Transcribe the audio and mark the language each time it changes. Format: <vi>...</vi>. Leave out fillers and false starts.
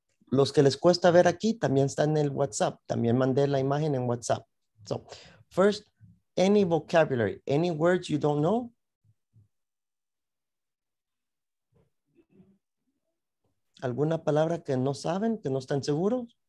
<es>Los que les cuesta ver aquí también están en el WhatsApp. También mandé la imagen en WhatsApp.</es> <en>So, first, any vocabulary, any words you don't know?</en> <es>¿Alguna palabra que no saben, que no están seguros?</es>